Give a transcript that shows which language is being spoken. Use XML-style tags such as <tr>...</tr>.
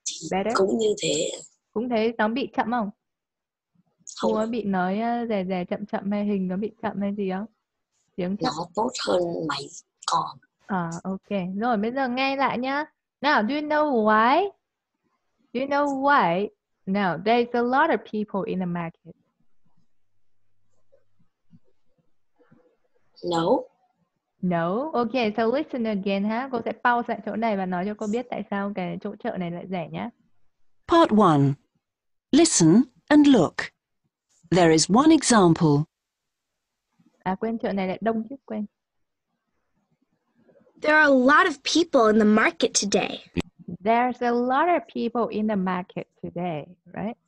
<vi>Better? Cũng như thế. Cũng thế, nó bị chậm không? Không. Cô có bị nói rè rè chậm chậm hay hình nó bị chậm hay gì không? Tiếng chậm. Nó tốt hơn máy con. Okay. Rồi, bây giờ nghe lại nhá.</vi> <en>Now, do you know why? Do you know why? No, there's a lot of people in the market. No. No. Okay, so listen again, ha?</en> <vi>Cô sẽ pause lại chỗ này và nói cho cô biết tại sao cái chỗ chợ này lại rẻ nhé.</vi> <en>Part 1. Listen and look. There is one example.</en> <vi>À, quên, chợ này lại đông chứ, quên.</vi> <en>There are a lot of people in the market today. There's a lot of people in the market today, right?</en>